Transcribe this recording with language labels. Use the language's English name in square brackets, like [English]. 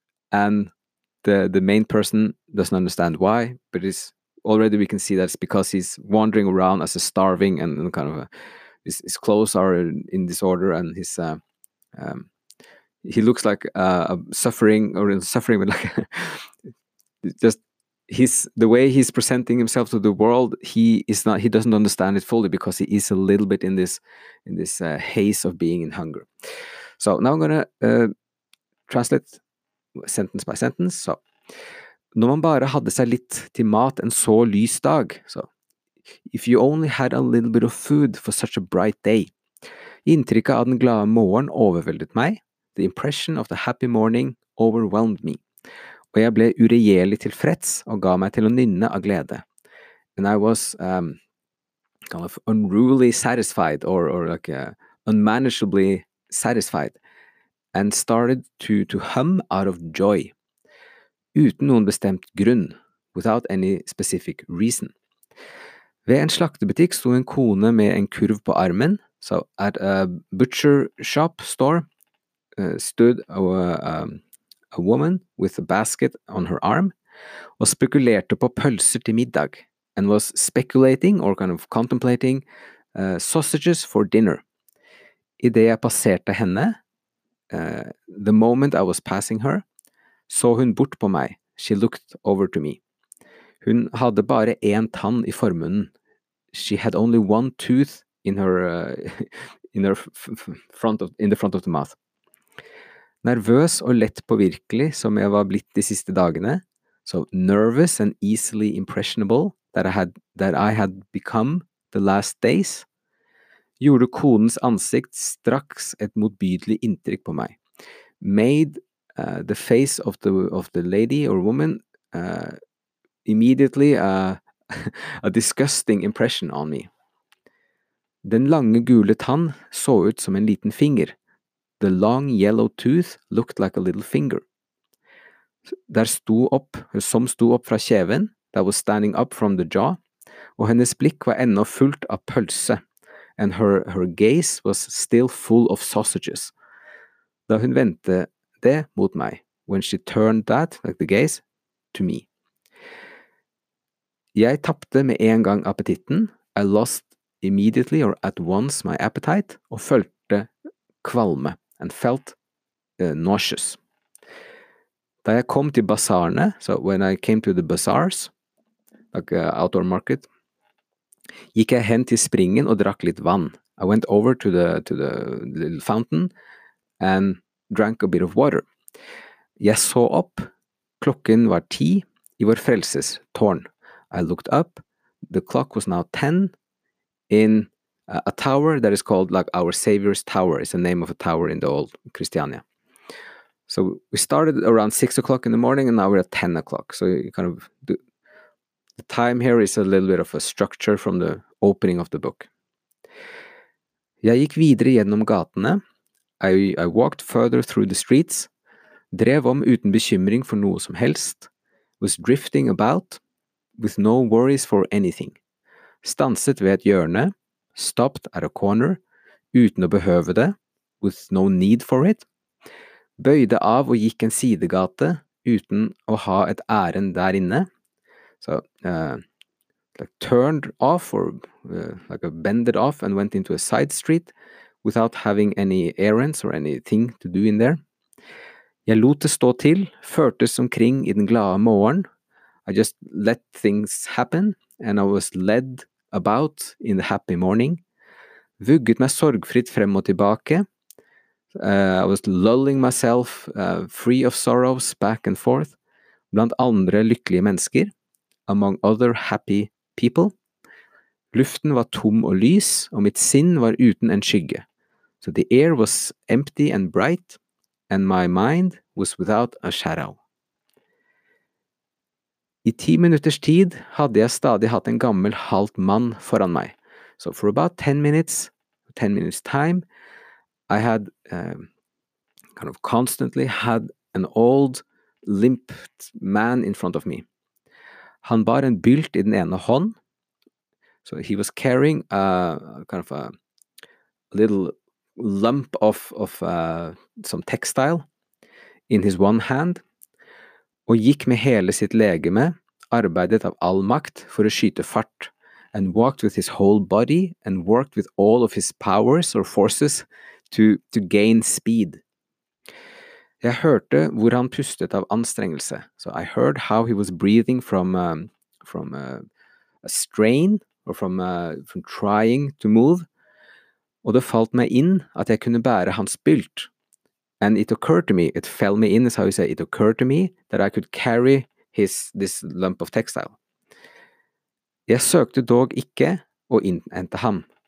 [English] and the main person doesn't understand why, but it's already we can see that it's because he's wandering around as a starving and kind of his clothes are in disorder and his he looks like suffering, but like just the way he's presenting himself to the world. He doesn't understand it fully because he is a little bit in this haze of being in hunger. So now I'm gonna translate sentence by sentence. [Norwegian] So, når man bare hadde seg litt til mat en så lys dag. [English] So, if you only had a little bit of food for such a bright day, [Norwegian] inntrykket av den glade morgen overveldet meg. [English] The impression of the happy morning overwhelmed me, [Norwegian] og jeg ble uregjerlig tilfreds og ga meg til å nynne av glede, [English] and I was kind of unruly satisfied or like unmanageably satisfied and started to hum out of joy [Norwegian] uten noen bestemt grunn, [English] without any specific reason. [Norwegian] Ved en slaktebutikk sto en kone med en kurv på armen. [English] So at a butcher shop store stood a woman with a basket on her arm [Norwegian] og spekulerte på pølser til middag [English] and was speculating or kind of contemplating sausages for dinner. [Norwegian] I det jeg passerte henne, [English] the moment I was passing her, [Norwegian] så hun bort på meg. [English] She looked over to me. [Norwegian] Hun hadde bare en tann I formunnen. [English] She had only one tooth in the front of the mouth. [Norwegian] Nervøs og lett påvirkelig som jeg var blitt de siste dagene, [English] so nervous and easily impressionable that I had become the last days, [Norwegian] gjorde konens ansikt straks et motbydelig inntrykk på meg. [English] Made the face of the lady or woman immediately a disgusting impression on me. [Norwegian] Den lange gule tann så ut som en liten finger. [English] The long yellow tooth looked like a little finger. [Norwegian] Der sto opp, som sto opp fra kjeven, [English] that was standing up from the jaw, [Norwegian] og hennes blikk var ennå fullt av pølse, [English] and her gaze was still full of sausages. [Norwegian] Da hun vendte det mot meg, [English] when she turned that, like the gaze, to me. [Norwegian] Jeg tapte med en gang appetitten, [English] I lost immediately or at once my appetite, [Norwegian] og følte kvalme, [English] and felt nauseous. [Norwegian] Da jeg kom til basarene, [English] so when I came to the bazaars, like outdoor market, [Norwegian] gikk jeg hen til springen og drakk litt vann. [English] I went over to the little fountain and drank a bit of water. [Norwegian] Jeg så opp, klokken var 10, I vår frelses tårn. [English] I looked up, the clock was now 10, in a tower that is called like Our Savior's Tower. It's the name of a tower in the old Christiania. So we started around 6 o'clock in the morning and now we're at 10 o'clock. So you kind of, the time here is a little bit of a structure from the opening of the book. [Norwegian] Jeg gikk videre gjennom gatene. [English] I walked further through the streets. [Norwegian] Drev om uten bekymring for noe som helst. [English] Was drifting about with no worries for anything. [Norwegian] Stanset ved et hjørne. [English] Stopped at a corner [Norwegian] uten å behøve det. [English] With no need for it. [Norwegian] Bøyde av og gikk en sidegate uten å ha et ærend der inne. [English] So, like turned off or like a bended off and went into a side street without having any errands or anything to do in there. [Norwegian] Jeg lot det stå til, førtes omkring I den glade morgen. [English] I just let things happen and I was led about in the happy morning. [Norwegian] Vugget meg sorgfritt frem og tilbake. [English] I was lulling myself free of sorrows back and forth [Norwegian] blant andre lykkelige mennesker, [English] among other happy people. [Norwegian] Luften var tom og lys, og mitt sinn var uten en skygge. [English] So the air was empty and bright, and my mind was without a shadow. [Norwegian] I 10 minutters tid hadde jeg stadig hatt en gammel halt mann foran meg. [English] So for about 10 minutes time, I had kind of constantly had an old, limp man in front of me. [Norwegian] Han bar en bylt I den ene hånd. [English] So he was carrying a kind of a little lump of some textile in his one hand, [Norwegian] og gikk med hele sitt legeme, arbeidet av all makt for å skyte fart, [English] and walked with his whole body and worked with all of his powers or forces to gain speed. [Norwegian] Jeg hørte hvor han pustet av anstrengelse. [English] So I heard how he was breathing from a strain or from trying to move. [Norwegian] Og det falt meg inn at jeg kunne bære hans bylt. [English] And it occurred to me, it fell me in, is how you say, it occurred to me that I could carry this lump of textile. [Norwegian] Jeg søkte dog ikke å innhente ham.